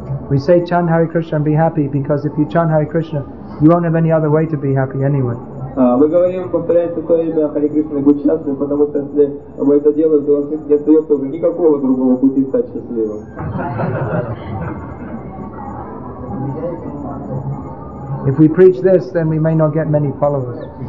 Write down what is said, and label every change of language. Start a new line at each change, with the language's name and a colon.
English: We say chant Hare Krishna and be happy because if you chant Hare Krishna, you won't have any other way to be happy anyway.
Russian: Мы говорим, повторяем такое имя Хари Кришна и будь счастлив, потому что если мы это делаем, то у нас не остается уже никакого другого пути стать счастливым.
English: If we preach this, then we may not get many followers.